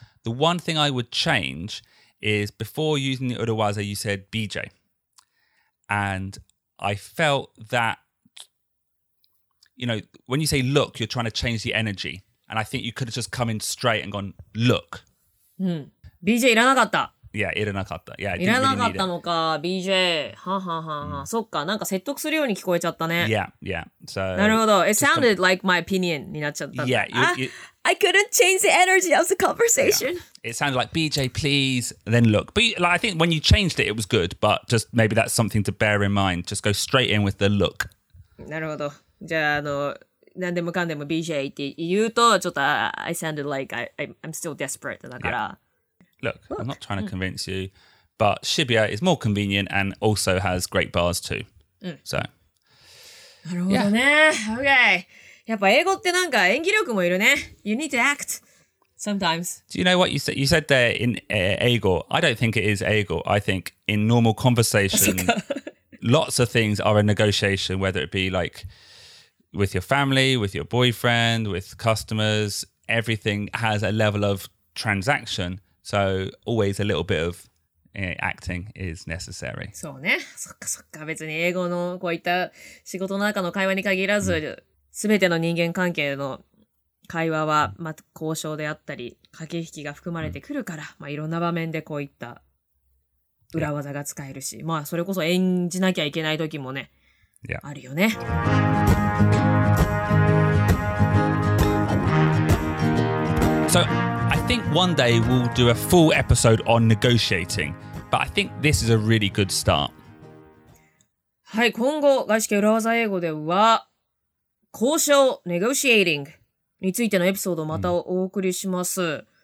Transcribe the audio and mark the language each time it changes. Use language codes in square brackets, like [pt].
[en] The one thing I would change is before using the Uruwaza, you said BJ. And I felt that, you know, when you say look, you're trying to change the energy. And I think you could have just come in straight and gone, look. [ja] BJ, いらなかった。 Yeah, いらなかった。いらなかったのか、BJ。はははは。そっか、なんか説得するように聞こえちゃったね。 [en] Yeah, yeah. So, [ja] なるほど。 [en] It sounded like my opinion [ja] になっちゃった。 [en] Yeah, I couldn't change the energy of the conversation. Yeah. It sounded like, BJ, please, then look. But like, I think when you changed it, it was good. But just maybe that's something to bear in mind. Just go straight in with the look. [ja] なるほど。じゃあ、何でもかんでも BJ って言うと、ちょっと [en] I sounded like I'm still desperate. [ja] だから。Yeah. [en] Look, I'm not trying to convince you, but Shibuya is more convenient and also has great bars too. So, [ja] なるほどね。Okay. やっぱ英語ってなんか演技力もいるね。 [en] You need to act sometimes. Do you know what you said? You said there in 英語.I don't think it is 英語. I think in normal conversation, lots of things are a negotiation, whether it be like with your family, with your boyfriend, with customers. Everything has a level of transaction. So, always a little bit of acting is necessary. [ja] そうね。そっかそっか。別に英語のこういった仕事の中の会話に限らず、すべての人間関係の会話は、まあ、交渉であったり、駆け引きが含まれてくるから、まあ、いろんな場面でこういった裏技が使えるし、まあ、それこそ演じなきゃいけない時もね、あるよね。 [en] So,I think one day we'll do a full episode on negotiating, but I think this is a really good start. [ja] はい、今後外資系裏技英語では交渉 negotiating についてのエピソードをまたお送りします。